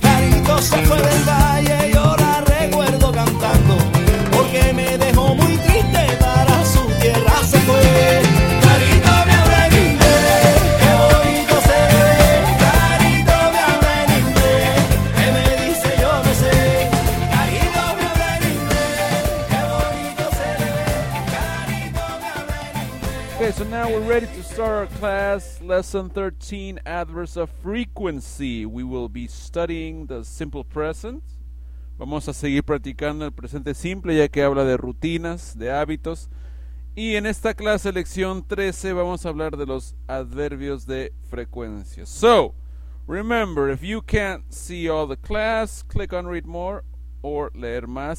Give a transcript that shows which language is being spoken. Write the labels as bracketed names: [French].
[Spanish] Carito se fue del valle y ahora recuerdo cantando, porque me dejó muy triste, para su tierra se fue. Carito me habla en inglés, qué bonito se ve. Carito me habla en inglés, que me dice yo no sé. Carito me habla en inglés, qué bonito se ve. Carito me habla en inglés. [English] Okay, so now we're ready to start our class, lesson 13, adverbs of frequency. We will be studying the simple present. [Spanish] Vamos a seguir practicando el presente simple, ya que habla de rutinas, de hábitos. Y en esta clase, lección 13, vamos a hablar de los adverbios de frecuencia. [English] So, remember, if you can't see all the class, click on read more or [Spanish] leer más.